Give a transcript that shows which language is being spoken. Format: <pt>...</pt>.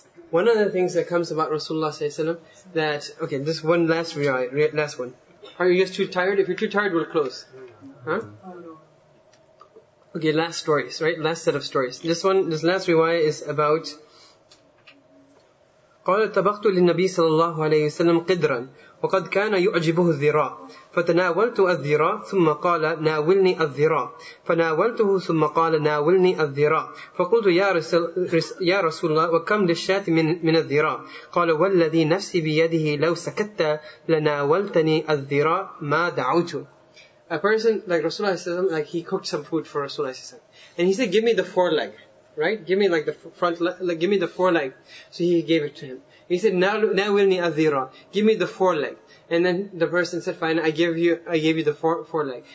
<en>One of the things that comes about Rasulullah sallallahu alaihi wasallam that, okay, this one last riwayah, last one. Are you guys too tired? If you're too tired, we'll close. Huh? Okay, last stories, right? Last set of stories. This one, this last riwayah is about</en> <ar>قال طبقت للنبي صلى الله عليه وسلم قدرا وقد كان يعجبه الذراع فتناولت الذراع ثم قال ناولني الذراع فناولته ثم قال ناولني الذراع فقلت يا رسول الله وكم للشاة من الذراع قال والذي نفسي بيده لو سكت لناولتني الذراع ما دعوت.</ar> <en>A person like Rasulullah صلى الله عليه وسلم, like, he cooked some food for Rasulullah صلى الله عليه وسلم, and he said, give me the foreleg. Right? Give me like the front, like give me the foreleg. So he gave it to him. He said,</en> <ar>"Now will ni azira."</ar> <en>Give me the foreleg. And then the person said, "Fine, I gave you the foreleg."</en>